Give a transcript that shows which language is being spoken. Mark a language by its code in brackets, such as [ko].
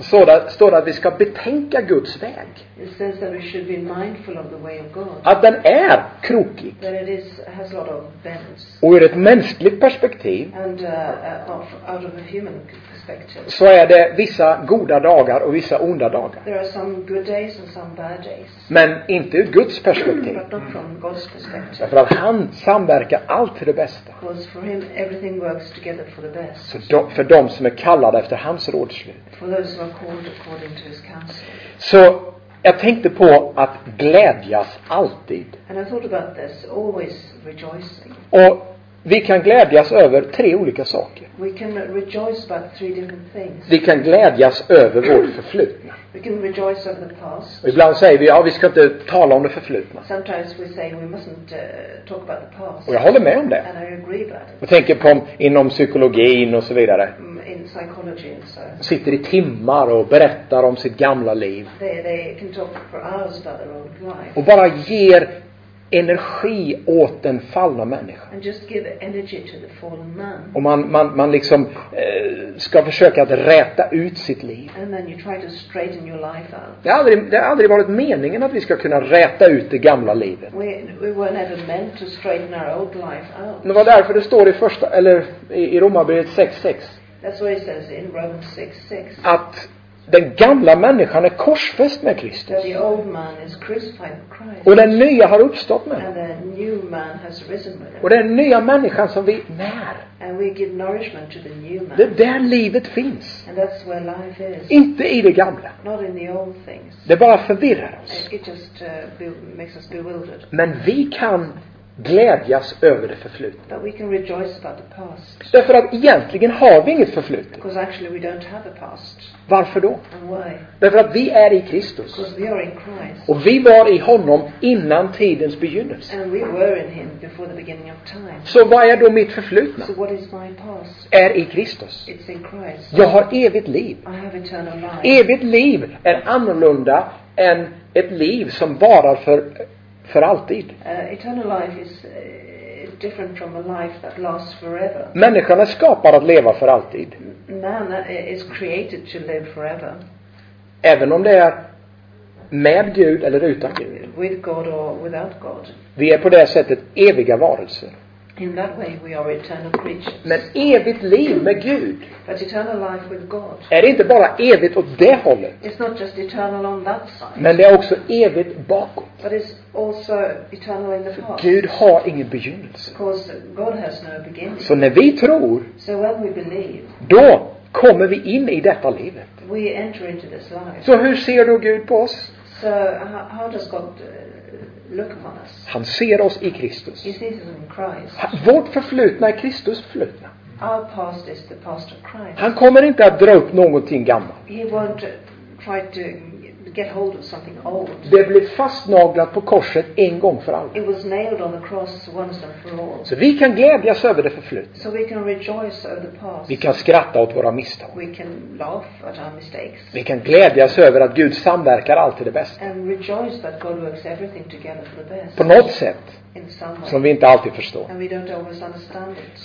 [sv] Så där står det att vi ska betänka Guds väg. [en] It says that we should be mindful of the way of God. [sv] Att den är krokig. [en] That it is, has a lot of bends. [sv] Och ur ett mänskligt perspektiv. [en] And out of a human perspective. [sv] Så är det vissa goda dagar och vissa onda dagar. [en] There are some good days and some bad days. [sv] Men inte ur Guds perspektiv. [en] But not from God's perspective. [sv] Därför att han samverkar allt till det bästa. [en] Because for him everything works together for the best. [sv] Så för de som är kallade efter hans rådslut. [en] For those who are called according to his counsel. [sv] Så jag tänkte på att glädjas alltid. [en] And I thought about this, always rejoicing. [sv] Och vi kan glädjas över tre olika saker. [en] We can rejoice about three different things. [sv] Vi kan glädjas över vårt förflutna. [en] We can rejoice over the past. [sv] Och ibland säger vi, ja, vi ska inte tala om det förflutna. [en] Sometimes we say we mustn't talk about the past. [sv] Och jag håller med om det. [en] And I agree about it. [sv] Och tänker på inom psykologin och så vidare. [en] In psychology and so. [sv] Sitter i timmar och berättar om sitt gamla liv. [en] They can talk for hours about their old life. [sv] Och bara ger energi åt den fallna människan. [en] And just give energy to the fallen man. [sv] Och man liksom ska försöka att räta ut sitt liv. [en] And then you try to straighten your life out. [sv] Det har aldrig varit meningen att vi ska kunna räta ut det gamla livet. [en] We were never meant to straighten our old life out. [sv] Men vad därför det står i första eller i Romarbrevet 6:6. [en] That's what it says in Romans 6:6. [sv] Att den gamla människan är korsfäst med Kristus. [en] The old man is crucified with Christ. [sv] Och den nya har uppstått med. [en] And the new man has risen with him. [sv] Och den nya människan som vi när. [en] And we give nourishment to the new man. [sv] Det är där livet finns. [en] And that's where life is. [sv] Inte i det gamla. [en] Not in the old things. [sv] Det bara förvirrar oss. [en] It just makes us bewildered. [sv] Men vi kan glädjas över det förflutna. [en] But we can rejoice about the past. [sv] Därför att egentligen har vi inget förflutet. [en] Because actually we don't have a past. [sv] Varför då? [en] And why? [sv] Därför att vi är i Kristus. [en] Because we are in Christ. [sv] Och vi var i honom innan tidens begynnelse. [en] And we were in him before the beginning of time. [sv] Så vad är då mitt förflutna? [en] So what is my past? [sv] Är i Kristus. [en] It's in Christ. [sv] Jag har evigt liv. [en] I have eternal life. [sv] Evigt liv är annorlunda än ett liv som varar för alltid. [en] Eternal life is different from a life that lasts forever. [sv] Människan är skapad att leva för alltid. [en] Man is created to live forever. [sv] Även om det är med Gud eller utan Gud. [en] With God or without God. [sv] Vi är på det sättet eviga varelser. [en] In that way we are eternal creatures. [sv] Men evigt liv med Gud. [en] But eternal life with God. [sv] Är det inte bara evigt åt det hållet? [en] It's not just eternal on that side. [sv] Men det är också evigt bakåt. [en] But it's also eternal in the past. [sv] Gud har ingen begynnelse. [en] Because God has no beginning. [sv] Så när vi tror. [en] So when we believe. [sv] Då kommer vi in i detta livet. [en] We enter into this life. [sv] Så hur ser då Gud på oss? [en] So how does God look upon us? [sv] Han ser oss i Kristus. [en] He sees us in Christ. [sv] Vårt förflutna är Kristus förflutna. [en] Our past is the past of Christ. [sv] Han kommer inte att dra upp någonting gammalt. [en] He won't try to get hold of something old. [sv] Det blev fastnaglat på korset en gång för alla. [en] It was nailed on the cross once and for all. [sv] Så vi kan glädjas över det förflutna. [en] So we can rejoice over the past. [sv] Vi kan skratta åt våra misstag. [en] We can laugh at our mistakes. [sv] Vi kan glädjas över att Gud samverkar allt till det bästa. [en] And rejoice that God works everything together for the best. [sv] På något sätt som vi inte alltid förstår. [en] And we don't always understand it.